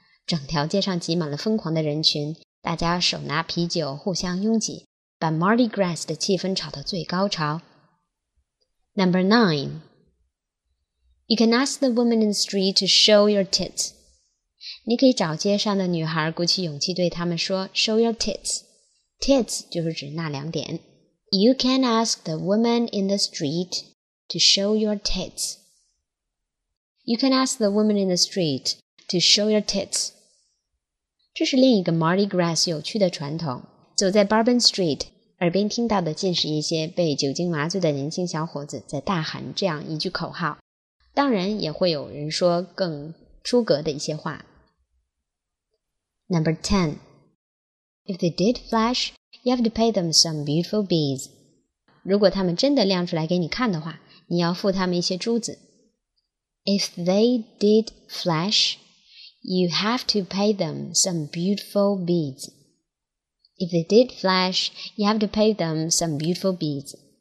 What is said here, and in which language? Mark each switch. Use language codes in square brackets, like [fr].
[zh] 整条街上挤满了疯狂的人群，大家手拿啤酒，互相拥挤，把 Mardi Gras 的气氛炒到最高潮。 [en] Number 9. You can ask the woman in the street to show your tits. [zh] 你可以找街上的女孩鼓起勇气对她们说 [en] show your tits. [zh] Tits 就是指那两点。 [en] You can ask the woman in the street to show your tits. You can ask the woman in the street to show your tits. [zh] 这是另一个 Mardi Gras 有趣的传统。走在 Bourbon Street, 耳边听到的尽是一些被酒精麻醉的年轻小伙子在大喊这样一句口号。当然也会有人说更出格的一些话。 [en] Number 10. If they did flash, you have to pay them some beautiful beads. [zh] 如果他们真的亮出来给你看的话，你要付他们一些珠子。 [en] If they did flash, you have to pay them some beautiful beads. If they did flash, you have to pay them some beautiful beads.